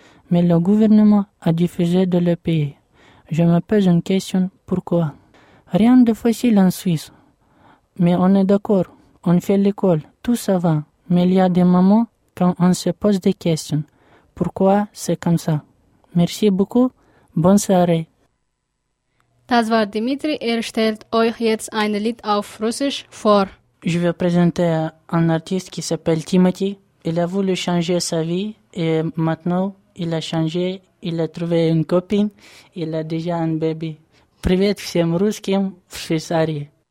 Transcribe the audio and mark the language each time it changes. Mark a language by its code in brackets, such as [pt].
[fr] Mais le gouvernement a refusé de le payer. Je me pose une question, pourquoi? Rien de facile en Suisse. Mais on est d'accord, on fait l'école, tout ça va. Mais il y a des moments quand on se pose des questions. Pourquoi c'est comme ça? Merci beaucoup, bonne soirée. [de] Das war Dimitri, stellt euch jetzt ein Lied auf Russisch vor. [fr] Je vais présenter un artiste qui s'appelle Timothy. Il a voulu changer sa vie et maintenant il a changé, il a trouvé une copine, il a déjà un bébé. [ru] Привет всем русским в Швейцарии.